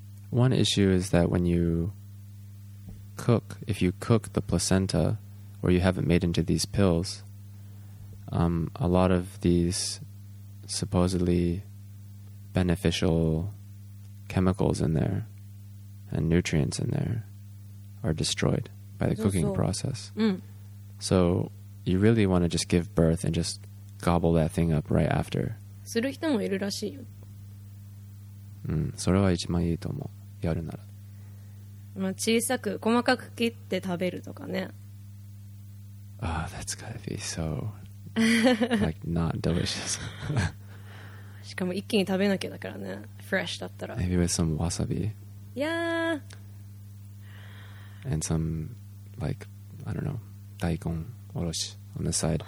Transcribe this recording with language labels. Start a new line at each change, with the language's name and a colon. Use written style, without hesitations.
English: One issue is that when you cook, if you cook the placenta, or you have it made into these pills, a lot of these supposedly beneficial chemicals in there and nutrients in there are destroyed by the cooking process. So you really want to just give birth and just gobble that thing up right after.
Japanese: する人もいるらしいよ。うん、それは一番いいと思う。やるなら。まあ小さく細かく切って食べるとかね。
English: Oh, that's gotta be so like not delicious.
Japanese: しかも一気に食べなきゃだからね。フレッシュだったら。
English: Maybe with some wasabi. Yeah. And some, like, I don't know, 大根おろし on the side.